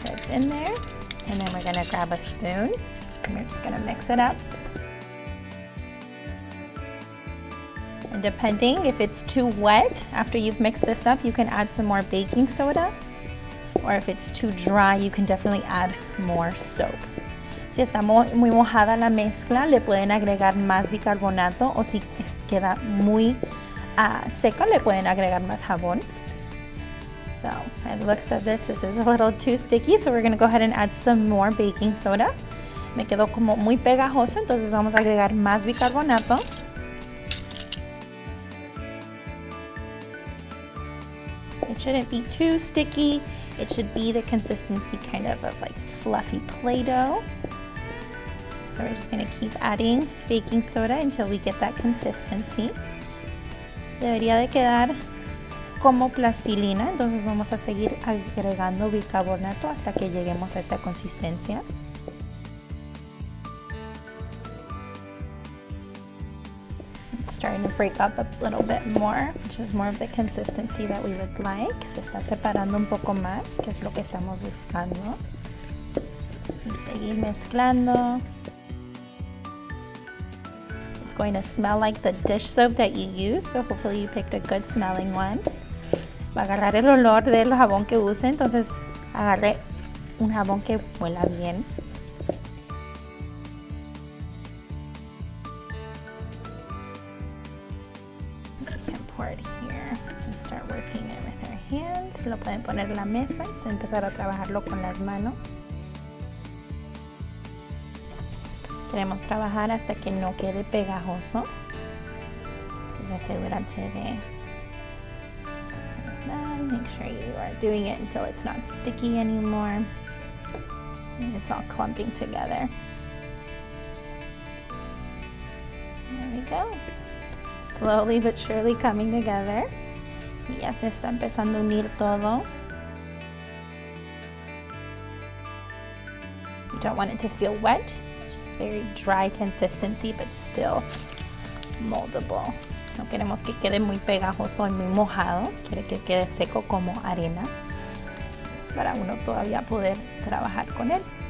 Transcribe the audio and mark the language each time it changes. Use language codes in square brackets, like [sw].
[en] In there, and then we're gonna grab a spoon and we're just gonna mix it up. And depending if it's too wet after you've mixed this up, you can add some more baking soda, or if it's too dry, you can definitely add more soap. [es] Si está muy mojada la mezcla, le pueden agregar más bicarbonato, o si queda muy seca, le pueden agregar más jabón. [en] So, by the looks of this, this is a little too sticky, so we're gonna go ahead and add some more baking soda. [es] Me quedó como muy pegajoso, entonces vamos a agregar más bicarbonato. [en] It shouldn't be too sticky. It should be the consistency kind of like fluffy Play-Doh. So we're just gonna keep adding baking soda until we get that consistency. [es] Debería de quedar como plastilina, entonces vamos a seguir agregando bicarbonato hasta que lleguemos a esta consistencia. [en] It's starting to break up a little bit more, which is more of the consistency that we would like. [es] Se está separando un poco más, que es lo que estamos buscando. Y seguir mezclando. [en] It's going to smell like the dish soap that you use, so hopefully you picked a good smelling one. [es] Va a agarrar el olor del jabón que use, entonces agarré un jabón que huela bien. [en] We can pour it here and start working it with our hands. [es] Lo pueden poner en la mesa y empezar a trabajarlo con las manos. Queremos trabajar hasta que no quede pegajoso. Entonces asegúrate de... [en] Make sure you are doing it until it's not sticky anymore. And it's all clumping together. There we go. Slowly but surely coming together. [es] Ya se está empezando a unir todo. [en] You don't want it to feel wet. It's just very dry consistency, but still moldable. [es] No queremos que quede muy pegajoso y muy mojado. Quiere que quede seco como arena para uno todavía poder trabajar con él.